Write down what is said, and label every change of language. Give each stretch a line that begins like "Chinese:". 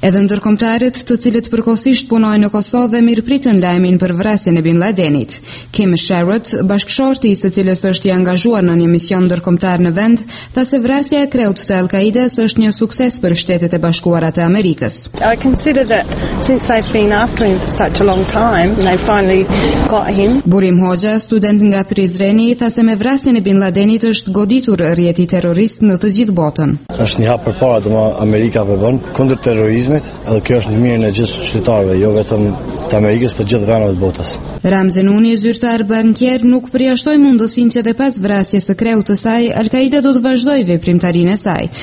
Albanian: Edhe ndërkomtarët të cilët përkosisht punojnë në Kosovë, mirë pritën lajmin për vrasjen e Bin Ladenit. Kim Sherrod, bashkëshorti së cilës është i angazhuar në një mision ndërkomtar në vend, tha se vrasja e kreut të Al-Qaidës është një sukses për Shtetet e Bashkuara të Amerikës.
English: I consider that since they've been after him for such a long time, they finally got him.
Albanian: Burim Hoxha, student nga Prizreni, tha se me vrasjen e Bin Ladenit është goditur rjeti terrorist në të gjithë botën. Është një hap përpara që Amerika po bën kundër terrorizmit. Edhe kjo është në mirën e gjithë qytetarëve, jo vetëm të Amerikës, për gjithë venëve të botës. Ramzen Uni, zyrtar bankier, nuk përjashtoi mundësinë që dhe pas vrasjes së kreut të saj, Al-Qaida do të vazhdojë veprimtarinë e saj.